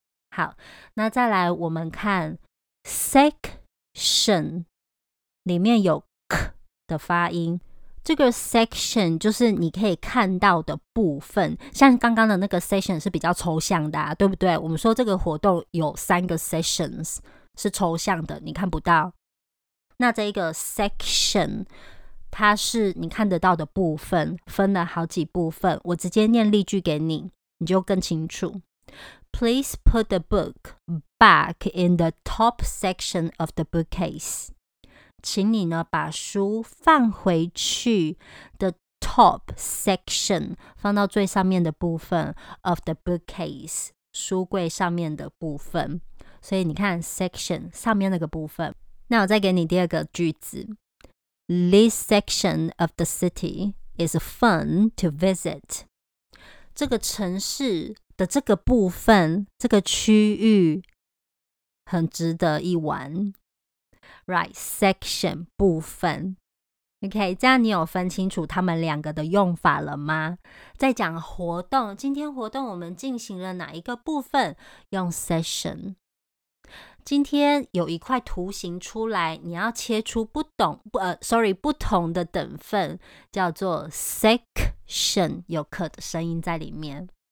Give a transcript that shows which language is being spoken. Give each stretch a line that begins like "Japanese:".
Chinese: 好，那再来我们看 section 里面有 k 的发音，这个 section 就是你可以看到的部分，像刚刚的那个 session 是比较抽象的、对不对？我们说这个活动有三个 sessions 是抽象的，你看不到。那这个 section 它是你看得到的部分，分了好几部分，我直接念例句给你，你就更清楚。
English: Please put the book back in the top section of the bookcase.
Chinese: 请你呢把书放回去
English: the top section，
Chinese: 放到最上面的部分
English: of the bookcase，
Chinese: 书柜上面的部分。所以你看 section 上面那个部分。那我再给你第二个句子。
English: This section of the city is fun to visit.
Chinese: 这个城市的这个部分，这个区域很值得一玩。
English: Right, section 部分。
Chinese: OK, 这样你有分清楚他们两个的用法了吗？在讲活动，今天活动我们进行了哪一个部分，用 session。今天有一块图形出来，你要切出不同的等分，叫做 section， 有 k 的声音在里面。